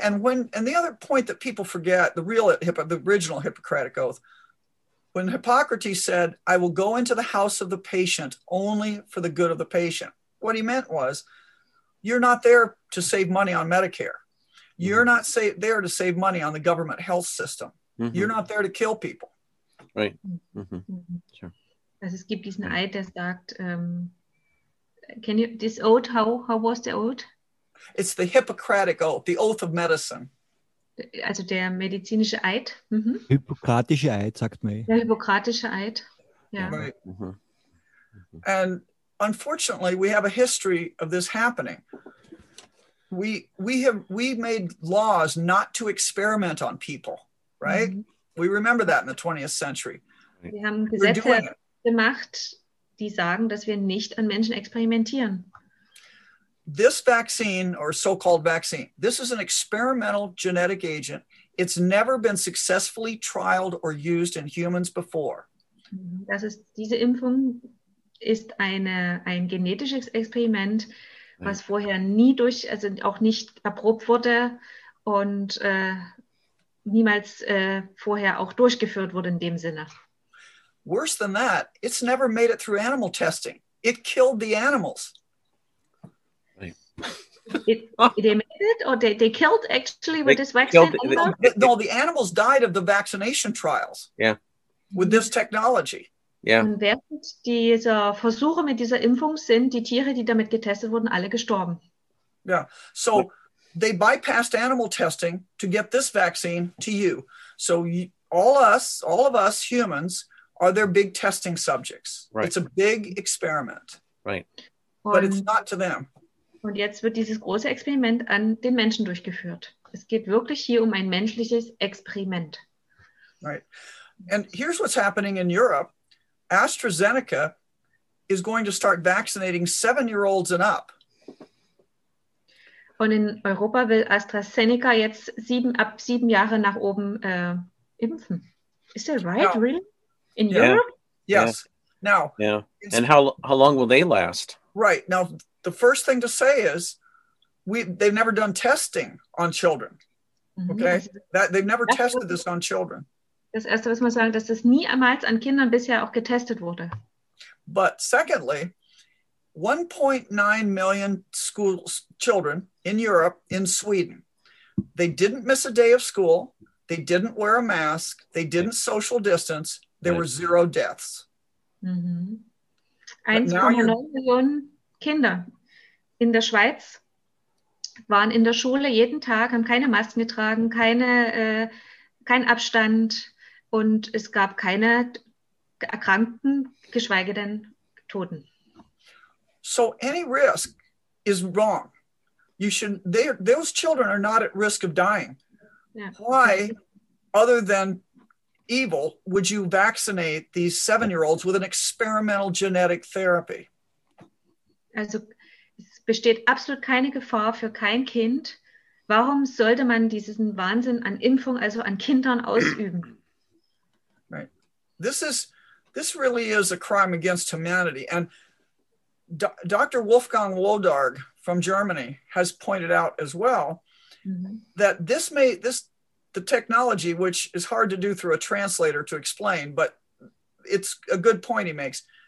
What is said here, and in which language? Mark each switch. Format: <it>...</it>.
<en>And the other point that people forget, the original Hippocratic Oath, when Hippocrates said, I will go into the house of the patient only for the good of the patient. What he meant was, you're not there to save money on Medicare. You're not there to save money on the government health system. Mm-hmm. You're not there to kill people. Right. Mm-hmm. Sure.</en> <de>Also es gibt diesen Eid, der sagt,</de> <en>can you, this oath, how was the oath? It's the Hippocratic Oath, the Oath of Medicine.</en> <de>Also der medizinische Eid. Mm-hmm. Hippokratische Eid, sagt man. Der Hippokratische Eid, ja.</de> <en>Right. Mm-hmm. And unfortunately, we have a history of this happening. We made laws not to experiment on people. Right? Mm-hmm. We remember that in the 20th century.</en> <de>Wir haben Gesetze gemacht, die sagen, dass wir nicht an Menschen experimentieren.</de> <en>This vaccine, or so-called vaccine, this is an experimental genetic agent. It's never been successfully trialed or used in humans before.</en> <de>Das ist, diese Impfung ist ein genetisches Experiment, was vorher nie durch, also auch nicht erprobt wurde und niemals vorher auch durchgeführt wurde in dem Sinne.</de> <en>Worse than that, it's never made it through animal testing. It killed the animals. They killed actually with this vaccine? No, the animals died of the vaccination trials. Yeah. With this technology. Yeah.</en> <de>Und während dieser Versuche mit dieser Impfung sind die Tiere, die damit getestet wurden, alle gestorben.</de> <en>Yeah. So they bypassed animal testing to get this vaccine to you. So all of us humans are their big testing subjects. Right. It's a big experiment. Right. But it's not to them.</en> <de>Und jetzt wird dieses große Experiment an den Menschen durchgeführt. Es geht wirklich hier um ein menschliches Experiment.</de> <en>Right. And here's what's happening in Europe. AstraZeneca is going to start vaccinating 7-year-olds and up.</en> <de>Und in Europa will AstraZeneca jetzt ab sieben Jahre nach oben impfen.</de> <en>Is that right, now, really? In Europe? Yes. Yeah. Now. Yeah. And how long will they last? Right. Now, the first thing to say is they've never done testing on children. Okay? Mm-hmm. They've never tested this on children.</en> <de>Das Erste, was man sagen, dass das niemals an Kindern bisher auch getestet wurde.</de> <en>But secondly, 1.9 million children in Europe, in Sweden, they didn't miss a day of school, they didn't wear a mask, they didn't social distance, there were zero deaths. Mm-hmm.</en> <de>1,9 Millionen Kinder in der Schweiz waren in der Schule jeden Tag, haben keine Masken getragen, kein Abstand, und es gab keine Erkrankten, geschweige denn Toten.</de> <en>So any risk is wrong. Those children are not at risk of dying. Yeah. Why, other than evil, would you vaccinate these 7-year-olds with an experimental genetic therapy?</en> <de>Also es besteht absolut keine Gefahr für kein Kind. Warum sollte man diesen Wahnsinn an Impfung, also an Kindern, ausüben?</de> <en>This really is a crime against humanity. And Dr. Wolfgang Wodarg from Germany has pointed out as well, mm-hmm, that the technology, which is hard to do through a translator to explain, but it's a good point he makes.</en>